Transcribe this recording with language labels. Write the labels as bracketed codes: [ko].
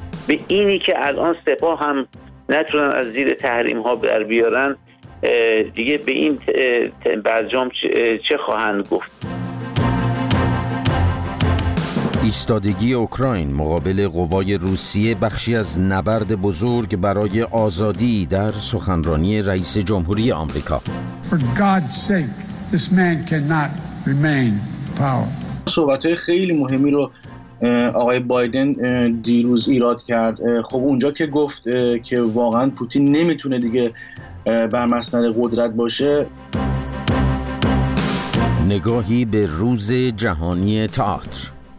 [fa] به اینی که الان سپاه هم نتونن از زیر تحریم ها بر بیارن دیگه، به این برجام چه خواهند گفت؟ ایستادگی اوکراین مقابل قوای روسیه بخشی از نبرد بزرگ برای آزادی در سخنرانی رئیس جمهوری آمریکا. [en] For God's sake, this man cannot remain power. [fa] صحبت‌های خیلی مهمی رو آقای بایدن دیروز ایراد کرد. خب اونجا که گفت که واقعا پوتین نمیتونه دیگه بر مسند قدرت باشه. نگاهی به روز جهانی تئاتر.